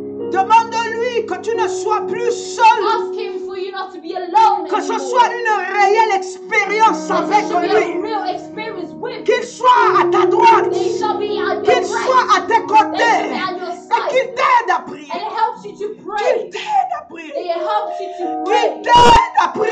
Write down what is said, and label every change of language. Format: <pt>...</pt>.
<fr>Demande-lui que tu ne sois plus seul.</fr> <en>Ask him for you not to be alone.</en> <fr>Que ce soit une réelle expérience avec lui. Qu'il soit à ta droite. Qu'il soit à tes côtés. Et qu'il t'aide à prier.</fr> <en>And it helps you to pray.</en> <fr>Qu'il t'aide à prier.</fr> <en>And it helps you to pray.</en> <fr>Qu'il t'aide à prier.</fr>